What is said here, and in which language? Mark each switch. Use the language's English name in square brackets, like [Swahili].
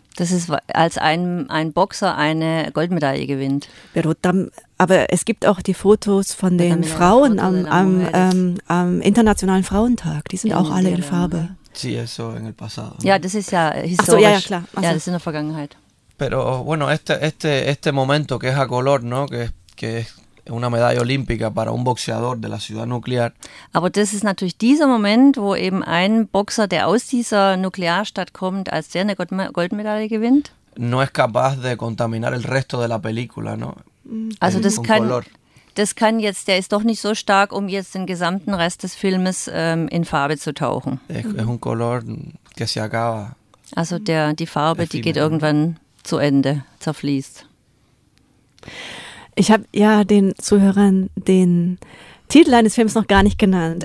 [German] Das ist, als ein Boxer eine Goldmedaille gewinnt. Aber es gibt auch die Fotos von den Frauen am Internationalen Frauentag. Die sind auch alle in Farbe. [Spanish] Sí, eso en el pasado, [German] ne? Ja, das ist ja historisch. Ach so, ja, klar. Also, ja, das ist in der Vergangenheit. [Spanish] Pero bueno, este momento que es a color, ¿no? Que es una medalla olímpica para un boxeador de la ciudad nuclear. [German] Aber das ist natürlich dieser Moment, wo eben ein Boxer, der aus dieser Nuklearstadt kommt, als der eine Goldmedaille gewinnt. [Spanish] No es capaz de contaminar el resto de la película, ¿no? [German] Also das kann jetzt, der ist doch nicht so stark, um jetzt den gesamten Rest des Filmes in Farbe zu tauchen. [Spanish] Es un color que se acaba. [German] Also die Farbe, die geht irgendwann zu Ende, zerfließt. Ich habe ja den Zuhörern den Titel eines Films noch gar nicht genannt.